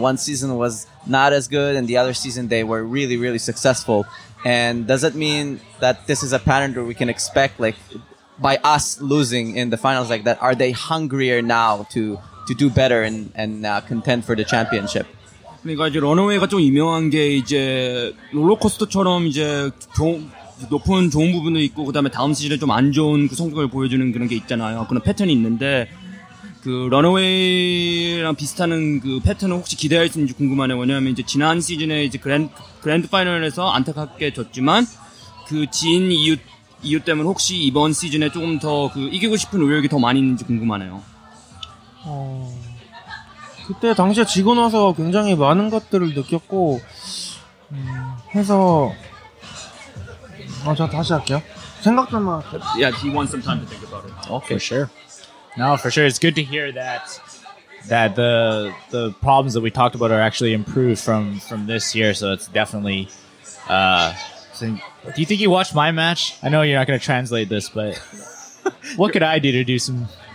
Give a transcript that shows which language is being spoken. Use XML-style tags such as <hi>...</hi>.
<en>One season was not as good and the other season they were really, really successful. And does it mean that this is a pattern that we can expect, like, by us losing in the finals like that, are they hungrier now to do better and contend for the championship?</en> <ko>그러니까 이제 Runaway가 좀 유명한 게 이제 롤러코스터처럼 이제 높은 좋은 부분도 있고 그 다음에 다음 시즌에 좀 안 좋은 그 성격을 보여주는 그런 게 있잖아요. 그런 패턴이 있는데 그 런어웨이랑 비슷한 그 패턴을 혹시 기대할 수 있는지 궁금하네요. 왜냐하면 이제 지난 시즌에 이제 그랜드 파이널에서 안타깝게 졌지만 그 진 이유 때문에 혹시 이번 시즌에 조금 더 그 이기고 싶은 의욕이 더 많이 있는지 궁금하네요. 그때 당시에 지고 나서 굉장히 많은 것들을 느꼈고 해서 제가 다시 할게요. 생각 좀 하세요.</ko> <en>Yeah, he wants some time to think about it. Okay, for sure. No, for sure. It's good to hear that the problems that we talked about are actually improved from this year. So it's definitely. Do you think you watched my match? I know you're not going to translate this, but what could I do to do some?</en>